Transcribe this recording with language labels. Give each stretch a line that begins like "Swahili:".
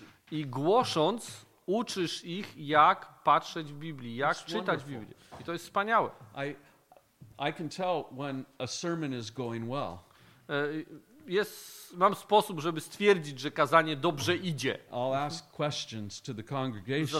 Polish: I głosząc, uczysz ich, jak patrzeć w Biblii, jak czytać Biblię. I to jest wspaniałe.
English: I can tell when a sermon is going well.
Polish: Jest, mam sposób, żeby stwierdzić, że kazanie dobrze idzie.
English: I'll ask questions to the congregation.